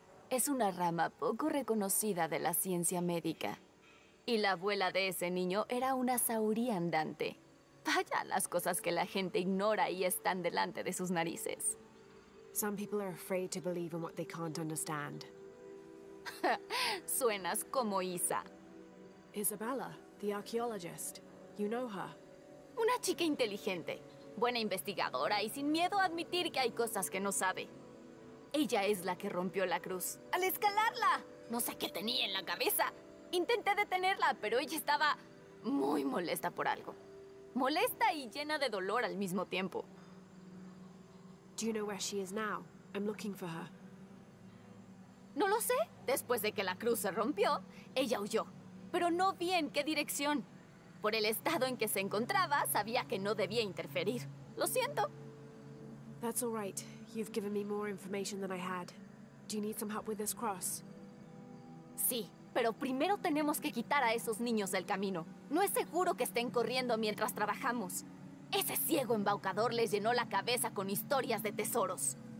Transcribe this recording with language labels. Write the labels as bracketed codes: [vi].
[es] Es una rama poco reconocida de la ciencia médica. Y la abuela de ese niño era una sahuría andante. Vaya las cosas que la gente ignora y están delante de sus narices. [en] Some people are afraid to believe in what they can't understand. [es] Suenas como Isa. [en] Isabella, the archaeologist. You know her. [es] Una chica inteligente, buena investigadora y sin miedo a admitir que hay cosas que no sabe. Ella es la que rompió la cruz. ¡Al escalarla! No sé qué tenía en la cabeza. Intenté detenerla, pero ella estaba muy molesta por algo. Molesta y llena de dolor al mismo tiempo. [en] Do you know where she is now? I'm looking for her. [es] No lo sé. Después de que la cruz se rompió, ella huyó. Pero no vi en qué dirección. Por el estado en que se encontraba, sabía que no debía interferir. Lo siento. [en] That's all right. You've given me more information than I had. Do you need some help with this cross? [es] Sí, pero primero tenemos que quitar a esos niños del camino. No es seguro que estén corriendo mientras trabajamos. Ese ciego embaucador les llenó la cabeza con historias de tesoros.